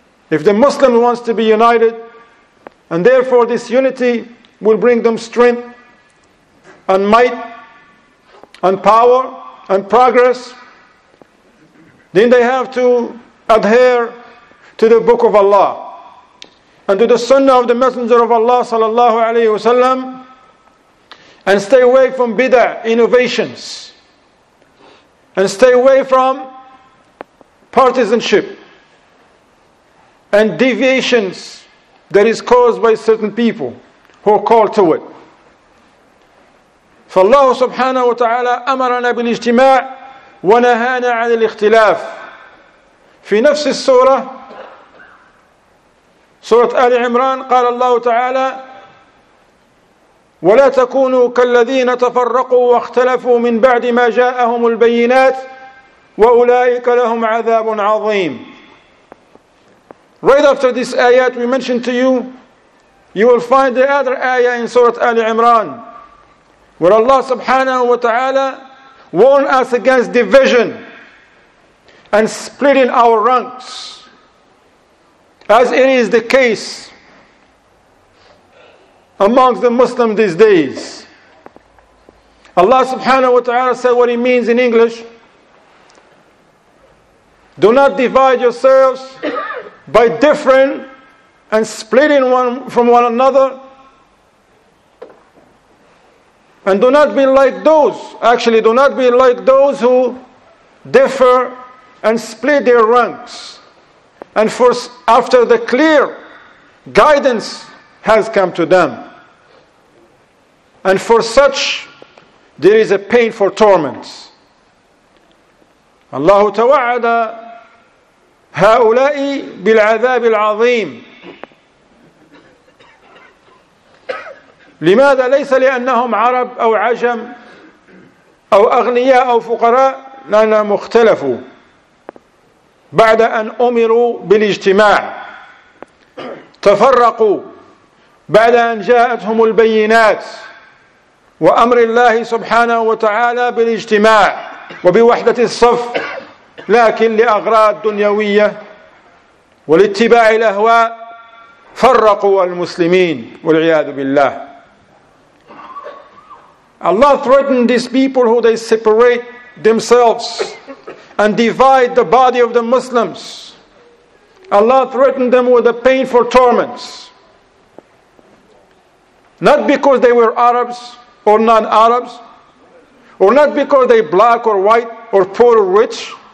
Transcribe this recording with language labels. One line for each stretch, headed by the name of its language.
English: If the Muslim wants to be united, and therefore this unity will bring them strength and might and power and progress, then they have to adhere to the book of Allah and to the sunnah of the Messenger of Allah sallallahu alayhi wa sallam, and stay away from bid'ah innovations, and stay away from partisanship and deviations that is caused by certain people who are called to it.
Arabic: فالله سبحانه وتعالى أمرنا بالاجتماع ونهانا عن الاختلاف. في نفس السورة سورة آل عمران قال الله تعالى ولا تكونوا كالذين تفرقوا واختلفوا من بعد ما جاءهم البينات وأولئك لهم عذاب عظيم.
English: Right after this ayat we mentioned to you, you will find the other ayah in Surah Al-Imran, where Allah subhanahu wa ta'ala warned us against division and splitting our ranks, as it is the case amongst the Muslims these days. Allah subhanahu wa ta'ala said what he means in English, do not divide yourselves by differing and splitting one from one another. And do not be like those, actually do not be like those who differ and split their ranks. And first, after the clear guidance has come to them. And for such, there is a painful torment.
Arabic: Allah tawa'ada هؤلاء بالعذاب العظيم. لماذا؟ ليس لأنهم عرب أو عجم أو أغنياء أو فقراء، لأنهم اختلفوا بعد أن أمروا بالاجتماع، تفرقوا بعد أن جاءتهم البينات وأمر الله سبحانه وتعالى بالاجتماع وبوحدة الصف، لكن لأغراض دنيوية والاتباع الأهواء فرقوا المسلمين والعياذ بالله.
English: Allah threatened these people who they separate themselves and divide the body of the Muslims. Allah threatened them with a painful torment. Not because they were Arabs or non-Arabs, or not because they black or white or poor or rich.